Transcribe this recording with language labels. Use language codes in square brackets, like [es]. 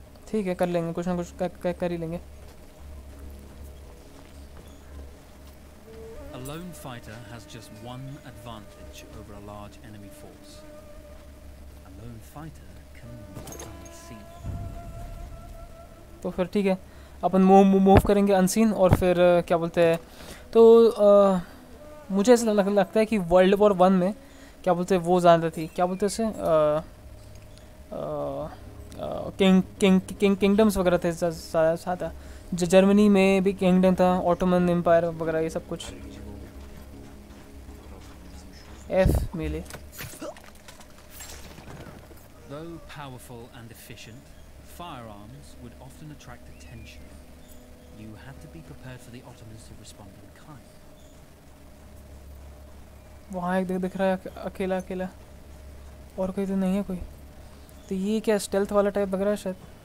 [hi] ठीक है, कर लेंगे कुछ ना कुछ कर ही लेंगे। [en] A lone fighter has just one advantage over a large enemy force. A lone fighter can unseen. [hi] तो फिर ठीक है, अपन मूव करेंगे अनसीन। और फिर क्या बोलते हैं, तो मुझे ऐसा लगता है कि वर्ल्ड वॉर 1 में क्या बोलते हैं वो ज़्यादा थी, क्या बोलते उसे किंगडम्स वगैरह थे ज़्यादा। जर्मनी में भी किंगडम था, ऑटोमन एम्पायर वगैरह ये सब कुछ। [en] F melee. Though powerful and efficient, firearms would often attract attention. You had to be prepared for the Ottomans to respond in kind. [hi] वहाँ एक दिख रहा है अकेला, और कोई तो नहीं है कोई। तो ये क्या स्टेल्थ वाला टाइप लग रहा है शायद।